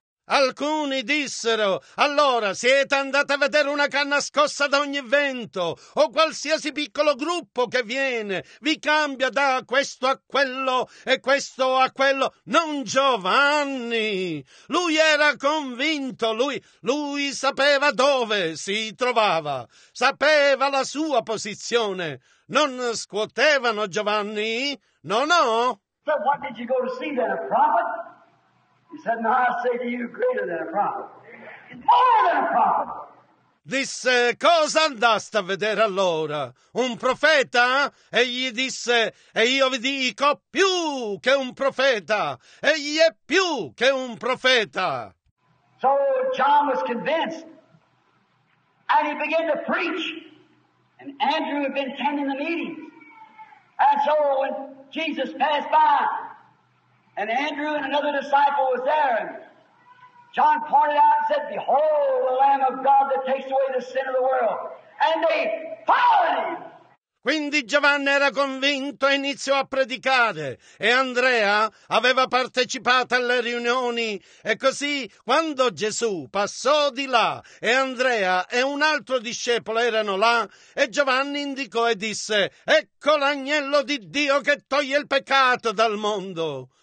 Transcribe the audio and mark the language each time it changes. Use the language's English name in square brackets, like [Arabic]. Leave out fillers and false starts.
[Italian] Alcuni dissero, allora siete andati a vedere una canna scossa da ogni vento o qualsiasi piccolo gruppo che viene, vi cambia da questo a quello e questo a quello. Non Giovanni, lui era convinto, lui sapeva dove si trovava, sapeva la sua posizione. Non scuotevano Giovanni? No, no. [English] So what did you go to see then, a prophet? He said, no, I say to you, greater than a prophet. More than a prophet. [Italian] Disse, cosa andaste a vedere allora? Un profeta? Egli disse, e io vi dico, più che un profeta. Egli è più che un profeta. [English] So John was convinced. And he began to preach. And Andrew had been attending the meetings. And so when Jesus passed by, and Andrew and another disciple was there. And John pointed out and said, behold, the Lamb of God that takes away the sin of the world. And they followed him. [Italian] Quindi Giovanni era convinto e iniziò a predicare, e Andrea aveva partecipato alle riunioni. E così, quando Gesù passò di là, e Andrea e un altro discepolo erano là, e Giovanni indicò e disse, ecco l'agnello di Dio che toglie il peccato dal mondo.